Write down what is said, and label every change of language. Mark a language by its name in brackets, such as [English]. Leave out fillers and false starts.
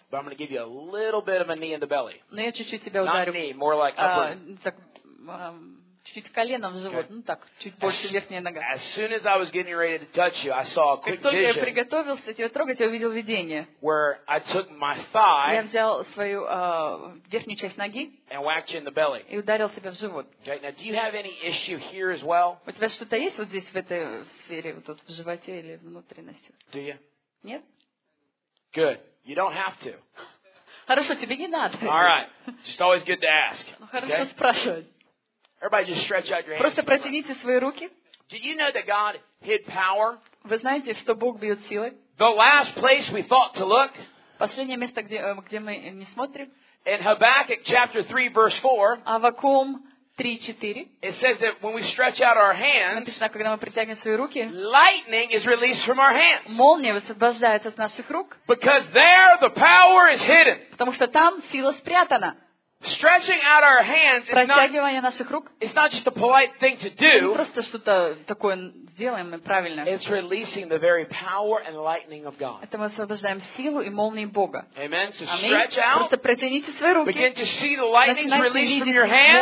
[English] But I'm going to give you a little bit of a knee in the belly. [Russian] Но я чуть-чуть тебя ударю. [English] Not knee, more like upper. [Russian] Чуть-чуть коленом в живот, okay. Ну так, чуть больше верхняя нога. [English] As soon as I was getting ready to touch you, I saw a quick vision. [Russian] Как только я приготовился тебя трогать, я увидел видение. [English] Where I took my thigh. [Russian] Я взял свою верхнюю часть ноги. [English] And whacked you in the belly. [Russian] И ударил себя в живот. [English] Okay. Now, do you have any issue here as well? [Russian] У тебя что-то есть вот здесь в этой сфере, вот тут в животе или внутренности? [English] Do you? [Russian] Нет. [English] Good. You don't have to. [Russian] Хорошо, тебе не надо. [English] All right. Just always good to ask. [Russian] Хорошо спрашивать. [English] Everybody just stretch out your hands. [Russian] Просто протяните свои руки. [English] Did you know that God hid power? [Russian] Вы знаете, что Бог бьет силы? [English] The last place we thought to look. [Russian] Последнее место, где мы не смотрим. [English] In Habakkuk chapter 3 verse 4. [Russian] Аввакум 3:4. [English] It says that when we stretch out our hands. [Russian] Написано, когда мы протягиваем свои руки. [English] Lightning is released from our hands. [Russian] Молния высвобождается из наших рук. [English] Because there the power is hidden. [Russian] Потому что там сила спрятана. [English] Stretching out our hands is not. [Russian] Протягивание наших рук. [English] It's not just a polite thing to do. [Russian] Мы просто что-то такое делаем правильно. [English] It's releasing the very power and lightning of God. [Russian] Это мы освобождаем силу и молнии Бога. [English] Amen. So stretch out. [Russian] Просто протяните свои руки. [English] Begin to see the lightning released from your hand.